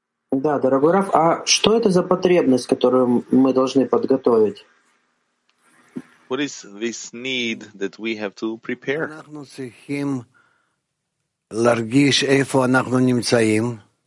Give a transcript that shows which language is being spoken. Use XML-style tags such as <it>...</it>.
<ru>Да, дорогой Раф, а что это за потребность, которую мы должны подготовить?</ru> <en>What is this need that we have to prepare?</en> <he>אנחנו צריכים להרגיש איפה אנחנו נמצאים.</he>